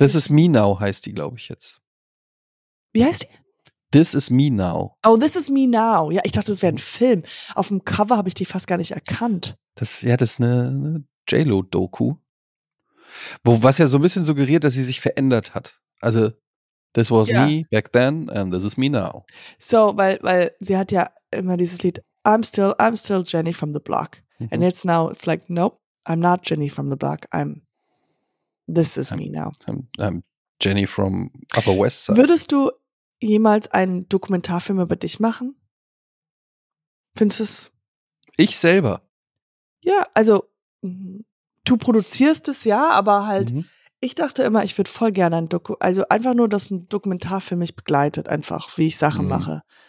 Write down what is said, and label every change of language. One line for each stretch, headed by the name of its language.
German: This Is Me Now heißt die, glaube ich, jetzt. Wie heißt die?
English: This Is Me Now. Oh, This Is Me Now.
German: Ja, ich dachte, das wäre ein Film. Auf dem Cover habe ich die fast gar nicht erkannt. Das ist eine J-Lo-Doku. Was ja so ein bisschen suggeriert, dass sie sich verändert hat.
English: Also This was me back then and this is me now.
German: So, weil sie hat ja immer dieses Lied I'm still Jenny from the block.
English: And it's now, it's like, nope, I'm not Jenny from the block. This is me now. I'm Jenny from Upper West Side.
German: Würdest du jemals einen Dokumentarfilm über dich machen? Findest du es? Ich selber? Ja, also du produzierst es ja, aber halt ich dachte immer, ich würde voll gerne dass ein Dokumentarfilm mich begleitet, einfach, wie ich Sachen mache.